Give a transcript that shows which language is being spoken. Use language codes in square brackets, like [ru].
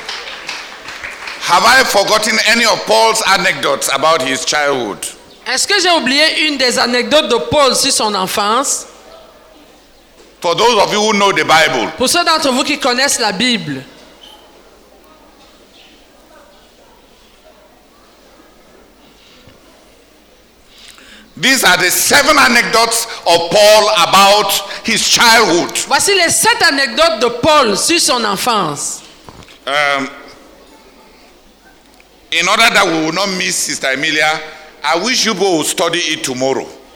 [en] Have I forgotten any of Paul's anecdotes about his childhood? [fr] Est-ce que j'ai oublié une des anecdotes de Paul sur son enfance? [en] For those of you who know the Bible. [fr] Pour ceux d'entre vous qui connaissent la Bible. [en] These are the seven anecdotes of Paul about his childhood. [fr] Voici les sept anecdotes de Paul sur son enfance. [en] In order that we will not miss Sister Emilia, I wish you both study it tomorrow.